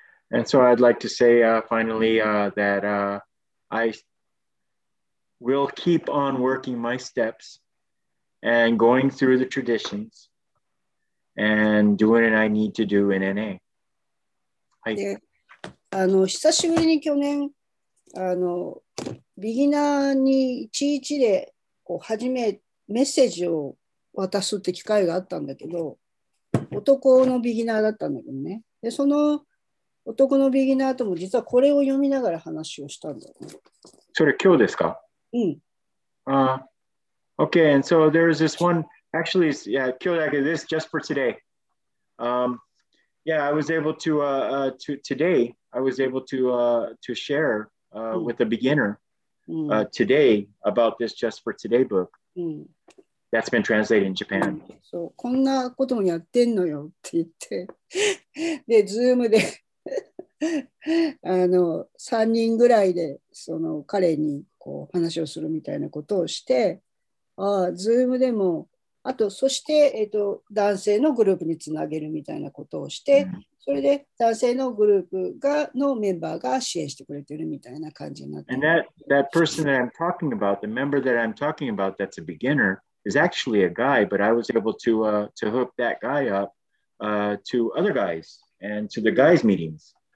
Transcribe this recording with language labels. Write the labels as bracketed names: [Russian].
[English] And so I'd like to say finally that I will keep on working my steps and going through the traditions and doing what I need to do in NA. [Japanese] はい。あの、久しぶりに去年、あの、ビギナーに一でこう初めメッセージを渡すって機会があったんだけど、男のビギナーだったんだけどね。で、その男のビギナーとも実はこれを読みながら話をしたんだ、ね。それ今日ですか？うん。 [English] Okay, and so there is this one. Actually, yeah, [Japanese] 今日だけです。 [English] Just for today. Yeah, I was able to today. I was able to share with a beginner today about this Just for Today book. That's been translated in Japan. [Japanese] そう、こんなこともやってんのよって言って、で、Zoom で。あの3人ぐらいでその彼にこう話をするみたいなことをして、ああ Zoom でも、あとそして、男性のグループにつなげるみたいなことをして、それで男性のグループがのメンバーが支援してくれてるみたいな感じになって。 [English] And that person that I'm talking about, the member that I'm talking about that's a beginner, is actually a guy, but I was able to hook that guy up to other guysAnd to the guys' meetings.